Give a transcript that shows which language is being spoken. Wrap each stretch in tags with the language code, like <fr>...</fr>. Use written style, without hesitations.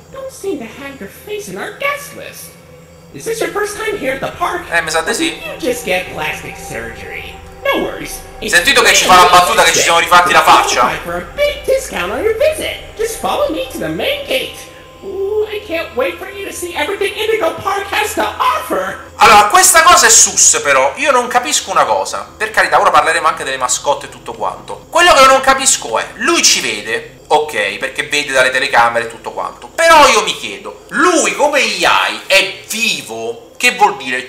<en>Don't seem to have your face in our guest list. Is this your first time here at the park?</en> <it>Mi sa di sì.</it> <en>You just get plastic surgery. No worries.</en> <it>Sentito che ci fa la battuta che ci siamo rifatti la faccia.</it> <en>For a big discount on your visit. Just follow me to the main gate. Ooh, I can't wait for you to see everything Indigo Park has to offer.</en> <it>Allora, questa cosa è sus, però io non capisco una cosa. Per carità, ora parleremo anche delle mascotte e tutto quanto. Quello che io non capisco è, lui ci vede, ok, perché vede dalle telecamere e tutto quanto. Però io mi chiedo, lui come AI è vivo? Che vuol dire?</it>